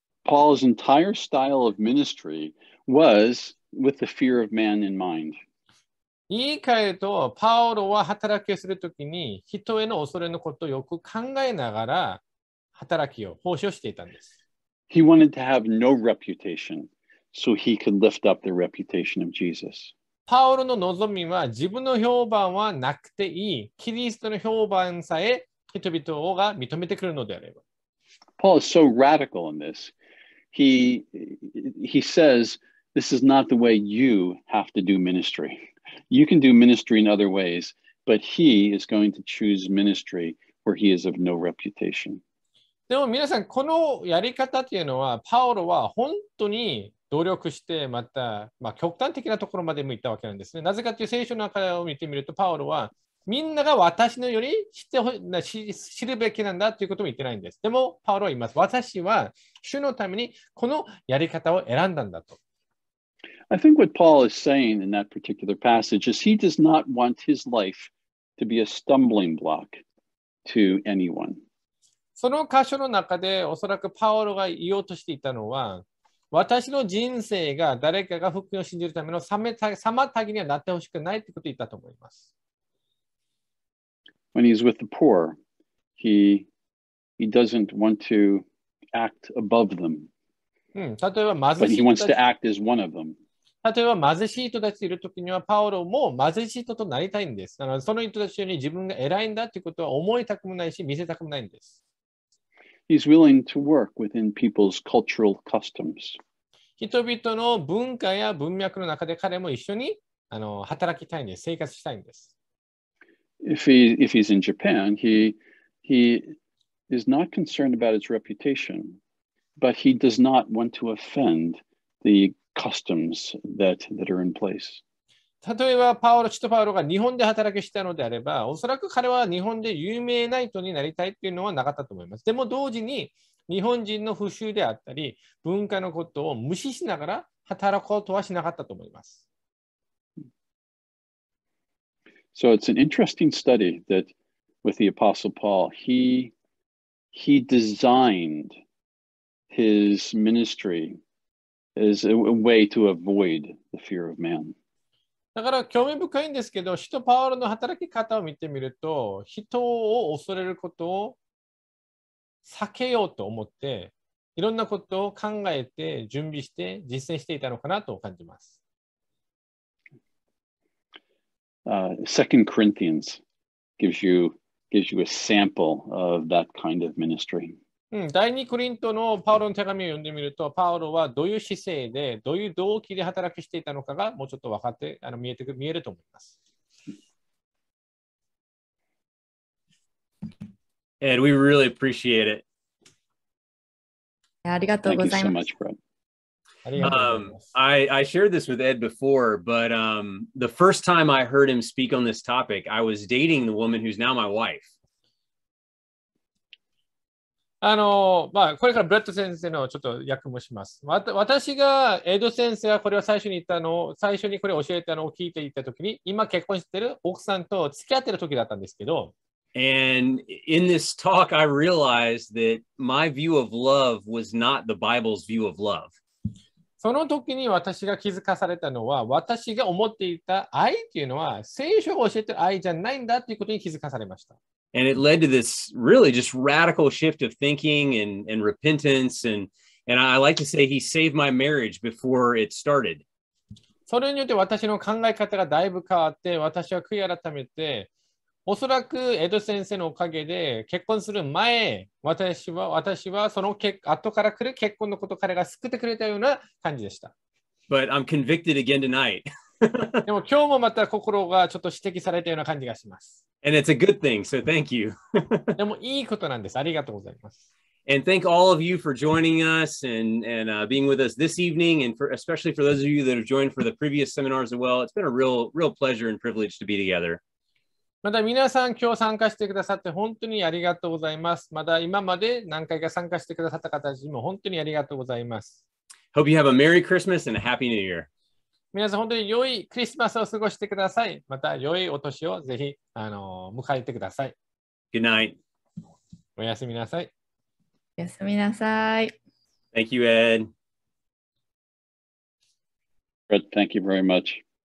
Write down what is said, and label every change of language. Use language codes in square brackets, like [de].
[en] Paul's entire style of ministry was with the fear of man in mind. [ja] 言い換えると、パウロは働きをするときに人への恐れのことをよく考えながら働きを、奉仕をしていたんです。 [en] He wanted to have no reputation so he could lift up the reputation of Jesus. [ja] パウロの望みは自分の評判はなくていい。キリストの評判さえ人々が認めてくるのであれば。 [en] Paul is so radical in this. He says, this is not the way you have to do ministry. You can do ministry in other ways, but he is going to choose ministry where he is of no reputation. [ja] でも皆さん、このやり方というのは、パウロは本当に努力して、また、極端的なところまでも行ったわけなんですね。なぜかという聖書の中を見てみると、パウロは、みんなが私のように知るべきなんだということも言ってないんです。でも、パウロは言います。私は、主のためにこのやり方を選んだんだと。 [en] I think what Paul is saying in that particular passage is he does not want his life to be a stumbling block to anyone. [ja] その箇所の中でおそらくパウロが言おうとしていたのは、私の人生が誰かが福音を信じるための妨げにはなってほしくないということを言ったと思います。 [en] When he's with the poor, he doesn't want to act above them. [ja] 例えば貧しい [en] 人。But he wants to act as one of them. [ja] 例えば貧しい人たちいるときには、パウロも貧しい人となりたいんです。だからその人たちに自分が偉いんだということは思いたくもないし、見せたくもないんです。 [en] He's willing to work within people's cultural customs. [ja] 人々の文化や文脈の中で彼も一緒に働きたいんです。生活したいんです。 [en] If he's in Japan, he is not concerned about his reputation, but he does not want to offend the customs that are in place. [ja] 例えばパウロ、使徒パウロが日本で働きしたのであれば、おそらく彼は日本で有名な人になりたいというのはなかったと思います。でも同時に日本人の風習であったり、文化のことを無視しながら働こうとはしなかったと思います。 [en] So it's an interesting study that with the Apostle Paul, he designed his ministry as a way to avoid the fear of man. [ja] だから興味深いんですけど、使徒パウロの働き方を見てみると、人を恐れることを避けようと思って、いろんなことを考えて、準備して、実践していたのかなと感じます。 [en] 2 Corinthians gives you a sample of that kind of ministry. [ja] 第2コリントのパウロの手紙を読んでみると、パウロはどういう姿勢で、どういう動機で働きしていたのかが、もうちょっと分かって、見えると思います。 [en] Ed, we really appreciate it. [ja] ありがとうございます。 [en] Thank you so much, Brett. I shared this with Ed before, but the first time I heard him speak on this topic, I was dating the woman who's now my wife. [ja] これからブレット先生のちょっと訳もします。私がエド先生がこれを最初に言ったのを、最初にこれを教えたのを聞いていたときに、今結婚している奥さんと付き合っているときだったんですけど。 [en] And in this talk, I realized that my view of love was not the Bible's view of love. [ja] その時に私が気づかされたのは、私が思っていた愛というのは、聖書が教えている愛じゃないんだということに気づかされました。 [en] And it led to this really just radical shift of thinking and repentance. And I like to say he saved my marriage before it started. [ja] それによって私の考え方がだいぶ変わって、私は悔い改めて、おそらくエド先生のおかげで結婚する前、私はその後から来る結婚のこと彼が救ってくれたような感じでした。 [en] But I'm convicted again tonight. [ja] でも今日もまた心がちょっと指摘されたような感じがします。 [en] And it's a good thing, so thank you. [ja] でもいいことなんです。ありがとうございます。 [en] And thank all of you for joining us and being with us this evening, and for, especially for those of you that have joined for the previous seminars as well. It's been a real, real pleasure and privilege to be together. [ja] また皆さん今日参加してくださって本当にありがとうございます。また今まで何回か参加してくださった方たちも本当にありがとうございます。 [en] Hope you have a Merry Christmas and a Happy New Year. [ja] 皆さん本当に良いクリスマスを過ごしてください。また良いお年をぜひ迎えてください。 [en] Good night. [ja] おやすみなさい。おやすみなさい。 [en] Thank you, Ed. Fred, thank you very much.